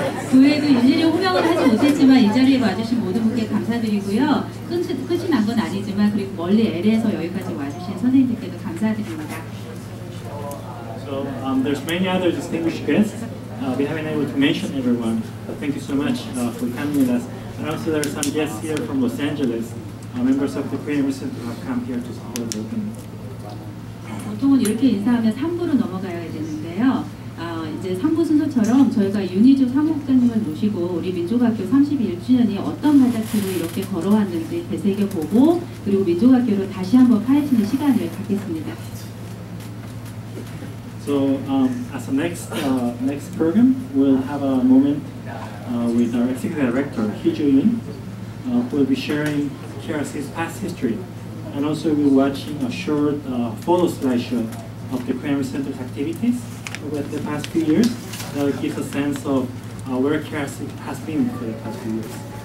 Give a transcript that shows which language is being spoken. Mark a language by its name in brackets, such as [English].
[Korean] 교회도 유일히 호명을 하지 못했지만 이 자리에 와주신 모든 분께 감사드리고요. 끝이 난 건 아니지만 그리고 멀리 LA에서 여기까지 와주신 선생님들께도 감사드립니다. [English] So there's many other distinguished guests. We haven't been able to mention everyone, but thank you so much for coming with us. And also there are some guests here from Los Angeles, members of the Korean Research who have come here to support the opening. [Korean] 보통은 이렇게 인사하면 3부로 넘어가야 되는데요. 이제 3부 순서처럼 저희가 윤희주 사목자님을 모시고 우리 민족학교 31주년이 어떤 발자취로 이렇게 걸어왔는지 되새겨보고 그리고 민족학교를 다시 한번 파헤치는 시간을 갖겠습니다. [English] So as a next program, we'll have a moment with our executive director, Hee-joo Yoon, who will be sharing KRC's past history. And also we'll be watching a short photo slideshow of the Korean Research Center's activities over the past few years that gives a sense of where KRC has been for the past few years.